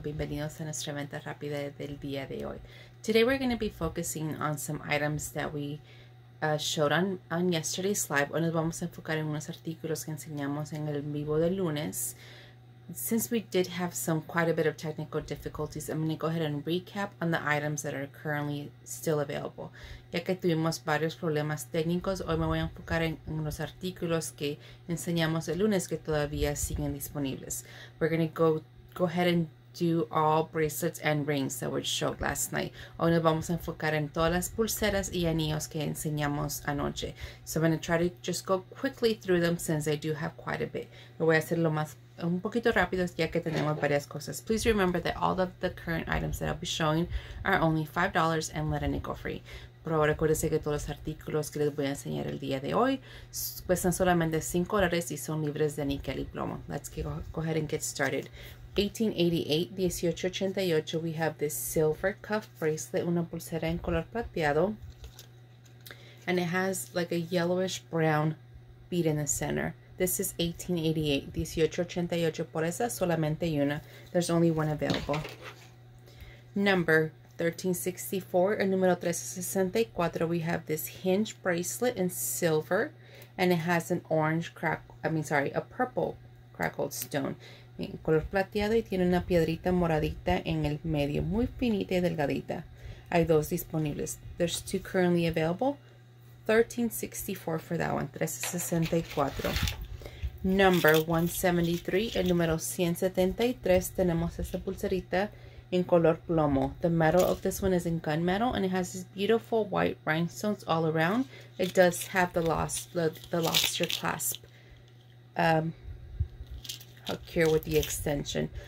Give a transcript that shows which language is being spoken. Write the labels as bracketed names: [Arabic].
[Spanish] Bienvenidos a nuestra venta rápida del día de hoy. [English] Today we're going to be focusing on some items that we showed on yesterday's live. [Spanish] Hoy nos vamos a enfocar en unos artículos que enseñamos en el vivo del lunes. [English] Since we did have quite a bit of technical difficulties, I'm going to go ahead and recap on the items that are currently still available. [Spanish] Ya que tuvimos varios problemas técnicos, hoy me voy a enfocar en los artículos que enseñamos el lunes que todavía siguen disponibles. [English] We're going to go ahead and do all bracelets and rings that were showed last night. [Spanish] Hoy nos vamos a enfocar en todas las pulseras y anillos que enseñamos anoche. [English] So I'm going to try to just go quickly through them since I do have quite a bit. [Spanish] Lo voy a hacer lo más un poquito rápido ya que tenemos varias cosas. [English] Please remember that all of the current items that I'll be showing are only $5 and let a nickel free. [Spanish] Pero ahora acuérdense que todos los artículos que les voy a enseñar el día de hoy cuestan solamente $5 y son libres de níquel y plomo. [English] Let's go ahead and get started. 1888, we have this silver cuff bracelet, [Spanish] una pulsera en color plateado. [English] And it has like a yellowish brown bead in the center. This is 1888, [Spanish] por esa solamente una. [English] There's only one available. Number 1364, [Spanish] el número 1364, [English] we have this hinge bracelet in silver. And it has an orange a purple crackled stone. [Spanish] En color plateado y tiene una piedrita moradita en el medio, muy finita y delgadita. Hay dos disponibles. [English] There's two currently available. 1364 for that one. 1364. Number 173, [Spanish] el número 173, tenemos esa pulserita en color plomo. [English] The metal of this one is in gunmetal and it has these beautiful white rhinestones all around. It does have the lobster clasp hook here with the extension.